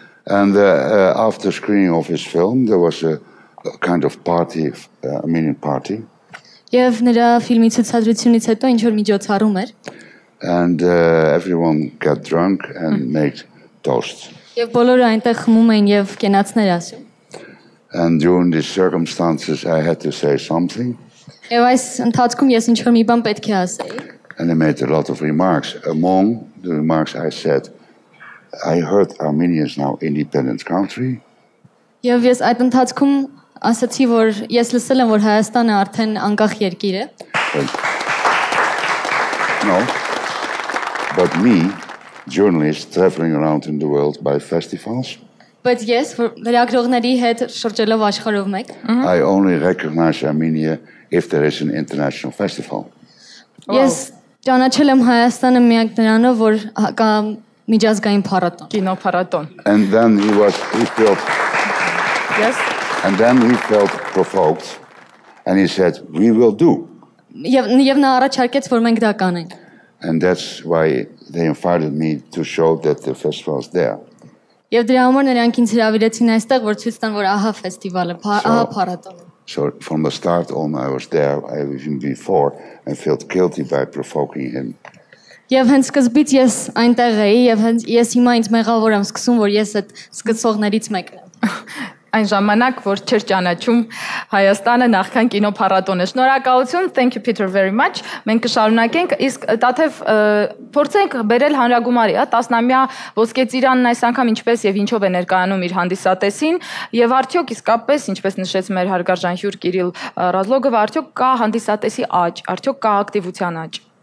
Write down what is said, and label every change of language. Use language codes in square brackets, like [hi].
[en] And after screening of his film there was a kind of party, a mini party։ [hy] Եվ նրա ֆիլմի ցուցադրությունից հետո ինչ որ միջոցառում էր։ [en] And everyone got drunk and made toasts. [hy] Եվ բոլորը այնտեղ խմում էին եւ կենացներ ասում։ [en] And during these circumstances I had to say something. [hy] Եվ այս ընթացքում ես ինչ-որ մի բան պետք է ասեի։ [en] And I made a lot of remarks. Among the remarks I said, I heard Armenia is now independent country. [hy] Եվ ես այդ ընթացքում ասացի, որ ես լսել եմ, որ Հայաստանը արդեն անկախ երկիր է։ [en] No. But me, journalist traveling around in the world by festivals. But yes, for [hy] լրագրողների հետ շրջելով աշխարհով մեկ. [en] I only recognize Armenia if there is an international festival. [hy] Yes, ճանաչել եմ Հայաստանը միակ նրանով, որ կա միջազգային փառատոն, կինոփառատոն. [en] And then he was felt. Yes. And then he felt provoked and he said, "We will do." [hy] Եվ նա առաջարկեց, որ մենք դա կանենք։ [en] And that's why they invited me to show that the festival is there. [hy] Եվ դրա համար նրանք ինձ հրավիրեցին այստեղ, որ ցույց տան, որ ահա ֆեստիվալը, ահա փառատոնը։ [en] So from the start on I was there, I was even before and felt guilty by provoking him. [hy] Եվ հենց սկզբից ես այնտեղ էի եւ հենց ես հիմա ինձ մեղավոր եմ սկսում, որ ես այդ սկսողներից մեկն եմ։ Այն ժամանակ, որ չէր ճանաչում Հայաստանը նախքան կինոփառատոնը։ Շնորհակալություն, [en] thank you Peter very much։ [hy] Մենք կշարունակենք, իսկ Տաթև փորձենք բերել հանրագումարի, հա, տասնամյա Ոսկե ծիրանն այս անգամ ինչպես եւ ինչով է ներկայանում իր հանդիսատեսին, եւ արդյոք իսկապես, ինչպես նշեց մեր հարգարժան հյուր Կիրիլ Ռազլոգովը, արդյոք կա հանդիսատեսի աճ, արդյոք կա ակտիվության աճ։